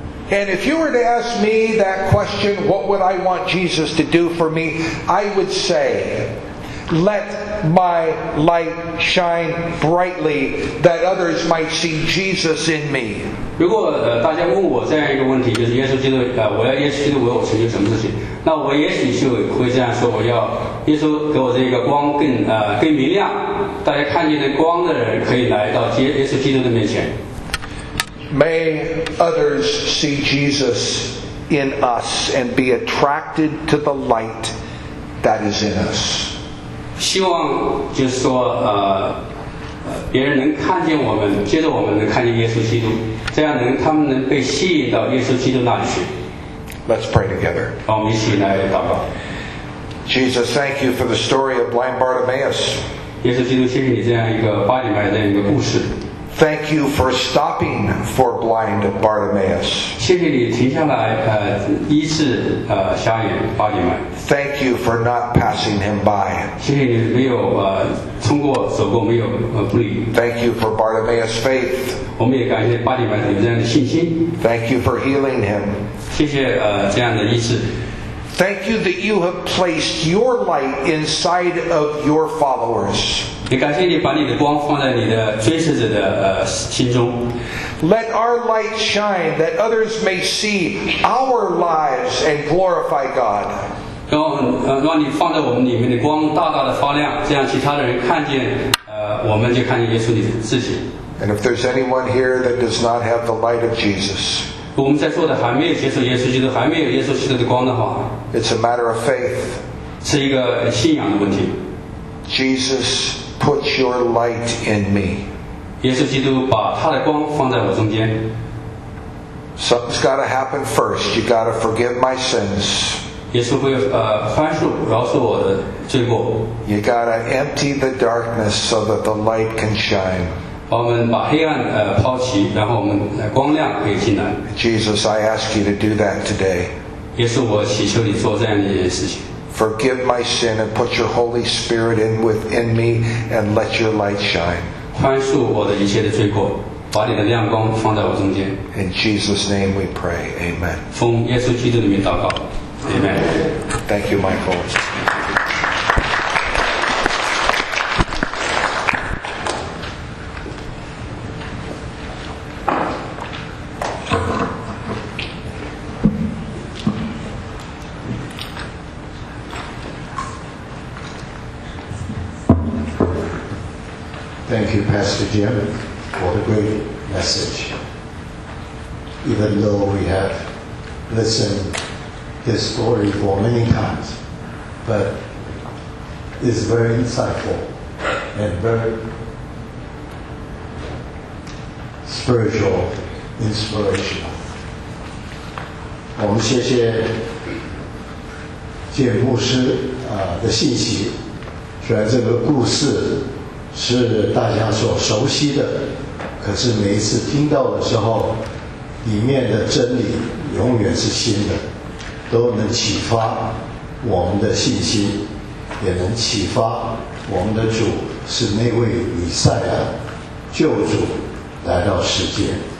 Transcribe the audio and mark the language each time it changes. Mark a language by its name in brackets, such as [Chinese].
[English] And if you were to ask me that question, what would I want Jesus to do for me? I would say. let my light shine brightly that others might see Jesus in me. [Chinese] 如果大家问我这样一个问题，就是耶稣基督，我要耶稣基督为我成就什么事情？那我也许就会这样说：我要耶稣给我这个光更明亮，大家看见的光的人可以来到耶稣基督的面前。 [English] May others see Jesus in us and be attracted to the light that is in us. [Chinese] 希望就是说别人能看见我们，接着我们能看见耶稣基督，这样能他们能被吸引到耶稣基督那里去。 [English] Let's pray together. [Chinese] 我们一起来祷告。 [English] Jesus, thank you for the story of blind Bartimaeus. [Chinese] 耶稣基督，谢谢你这样一个巴底麦的一个故事。 [English] Thank you for stopping for blind Bartimaeus. [Chinese] 谢谢你停下来，医治瞎眼巴底麦。 [English] Thank you for not passing him by. [Chinese] 谢谢你没有通过走过没有不理。 [English] Thank you for Bartimaeus' faith. [Chinese] 我们也感谢巴底麦有这样的信心。 [English] Thank you for healing him. [Chinese] 谢谢这样的医治。 [English] Thank you that you have placed your light inside of your followers. [Chinese] 也感谢你把你的光放在你的追随者的心中。 [English] Let our light shine that others may see our lives and glorify God. [Chinese] 让你放在我们里面的光大大的发亮，这样其他的人看见我们就看见耶稣你自己。 [English] And if there's anyone here that does not have the light of Jesus. [Chinese] 我们在座的还没有接受耶稣基督，还没有耶稣基督的光的话， [English] It's a matter of faith. [Chinese] 是一个信仰的问题。 [English] Jesus, put your light in me. [Chinese] 耶稣基督把他的光放在我中间。 [English] Something's got to happen first. You got to forgive my sins. [Chinese] 耶稣会宽恕饶恕我的罪过。 [English] You got to empty the darkness so that the light can shine. [Chinese] 我们把黑暗抛弃，然后我们光亮可以进来。 [English] Jesus, I ask you to do that today. [Chinese] 耶稣，我祈求你做这样一件事情。 [English] Forgive my sin and put your Holy Spirit in within me and let your light shine. [Chinese] 宽恕我的一切的罪过，把你的亮光放在我中间。 [English] In Jesus' name we pray. Amen. [Chinese] 奉耶稣基督的名祷告。Amen. [English] Thank you, Michael. Thank you, Pastor Jim, for the great message. Even though we have listened his story for many times, but it's very insightful and very spiritual inspirational. [Chinese] 我们谢谢简牧师的信息，虽然这个故事是大家所熟悉的，可是每一次听到的时候，里面的真理永远是新的，都能启发我们的信心，也能启发我们的主是那位弥赛亚救主来到世间。